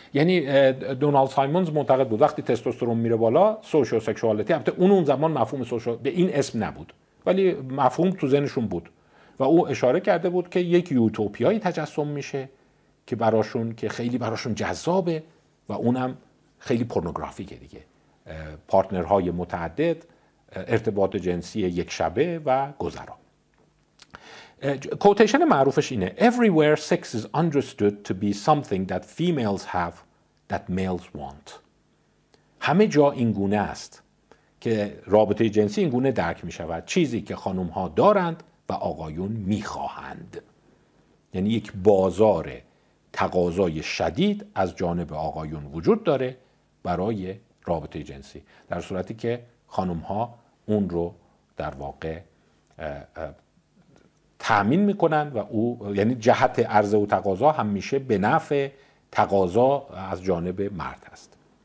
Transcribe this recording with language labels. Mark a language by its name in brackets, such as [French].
[Persian] یعنی دونالد سایمونز معتقد بود وقتی تستوسترون میره بالا سوشال سکشوالیتی، البته اون زمان مفهوم سوشال به این اسم نبود ولی مفهوم تو ذهنشون بود و او اشاره کرده بود که یک یوتوپیایی تجسم میشه که براشون که خیلی براشون جذابه و اونم خیلی پورنوگرافیکه دیگه، پارتنرهای متعدد، ارتباط جنسی یک شبه و گذرا. کوتیشن معروفش اینه: [English] Everywhere sex is understood to be something that females have that males want. [Persian] همه جا این گونه است که رابطه جنسی این گونه درک می شود، چیزی که خانم ها دارند و آقایون می خواهند. یعنی یک بازار تقاضای شدید از جانب آقایون وجود داره برای رابطه جنسی، در صورتی که خانم ها اون رو در واقع تأمین میکنن و او یعنی جهت عرضه و تقاضا همیشه به نفع تقاضا از جانب مرد هست.